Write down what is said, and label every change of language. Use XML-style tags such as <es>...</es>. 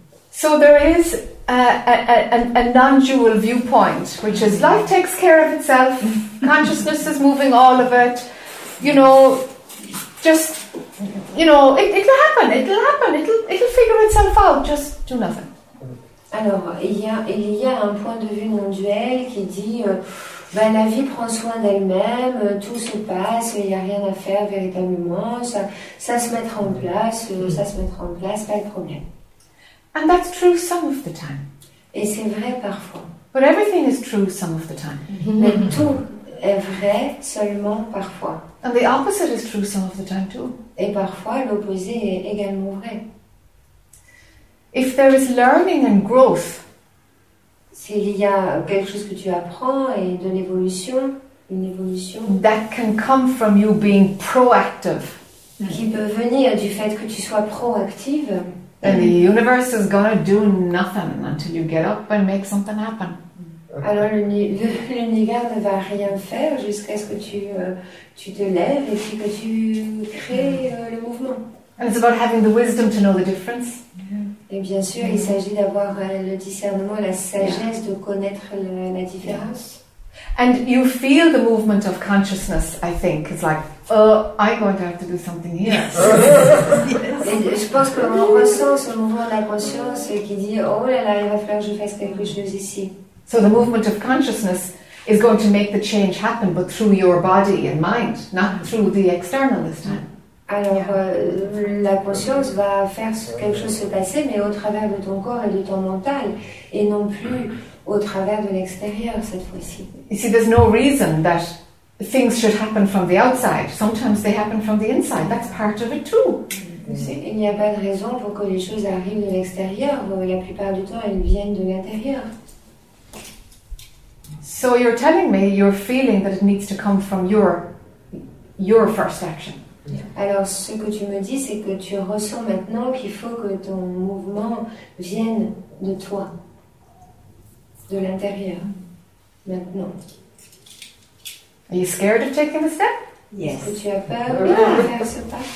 <en>So there is a non-dual viewpoint, which is life takes care of itself, consciousness is moving all of it, you know, just, you know, it'll figure itself out, just do nothing.</en> <fr>Alors, il y a un point de vue non-duel qui dit, ben, la vie prend soin d'elle-même, tout se passe, il n'y a rien à faire véritablement, ça se mettra en place, pas de problème.</fr> <en>And that's true some of the time.</en> <fr>Et c'est vrai parfois.</fr> <en>But everything is true some of the time.</en> <fr>Mais tout est vrai seulement parfois.</fr> <en>And the opposite is true some of the time too.</en> <fr>Et parfois l'opposé est également vrai.</fr> <en>If there is learning and growth,</en> <fr>s'il y a quelque chose que tu apprends et de l'évolution, une évolution,</fr> <en>that can come from you being proactive.</en> <fr>Qui peut venir du fait que tu sois proactive.</fr> <en>Then the universe is gonna do nothing until you get up and make something happen.</en> <fr>Alors l'univers ne va rien faire jusqu'à ce que tu te lèves et puis que tu crées le mouvement.</fr> <en>And it's about having the wisdom to know the difference.</en> <fr>Et bien sûr, il s'agit d'avoir le discernement, la sagesse de connaître la différence.</fr> <en>And you feel the movement of consciousness, I think. It's like, I'm going to have to do something here. Yes.</en> <fr>Et je pense qu'on ressent ce mouvement de la conscience qui dit, oh là là, il va falloir que je fasse quelque chose ici.</fr> <en>So the movement of consciousness is going to make the change happen, but through your body and mind, not through the external this time.</en> <fr>Alors, la conscience va faire quelque chose se passer, mais au travers de ton corps et de ton mental, et non plus au travers de l'extérieur cette fois-ci.</fr> <en>You see, there's no reason that things should happen from the outside. Sometimes they happen from the inside. That's part of it too.</en> <fr>Il n'y a pas de raison pour que les choses arrivent de l'extérieur. La plupart du temps, elles viennent de l'intérieur.</fr> <en>So you're telling me you're feeling that it needs to come from your first action. Yeah.</en> <fr>Alors, ce que tu me dis, c'est que tu ressens maintenant qu'il faut que ton mouvement vienne de toi, de l'intérieur, maintenant.</fr> <en>Are you scared of taking the step? Yes.</en> <fr>Est-ce que tu as peur de faire ce pas?</fr>